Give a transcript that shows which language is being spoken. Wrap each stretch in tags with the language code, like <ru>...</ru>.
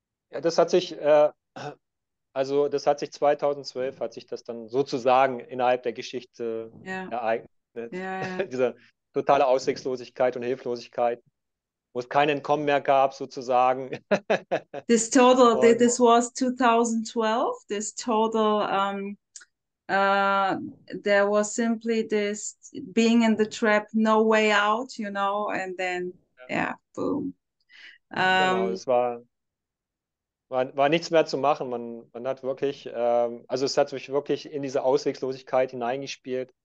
<de>ja, das hat sich 2012, hat sich das dann sozusagen innerhalb der Geschichte Ja. ereignet. Ja. Diese totale Aussichtslosigkeit und Hilflosigkeit, wo es kein Entkommen mehr gab, sozusagen.</de> <en>This total,</en> <de>Und</de> <en>this was 2012, this total, there was simply this being in the trap, no way out, you know, and then, yeah, boom.</en> <de>genau, es war nichts mehr zu machen. Man hat wirklich, also es hat sich wirklich in diese Ausweglosigkeit hineingespielt.</de>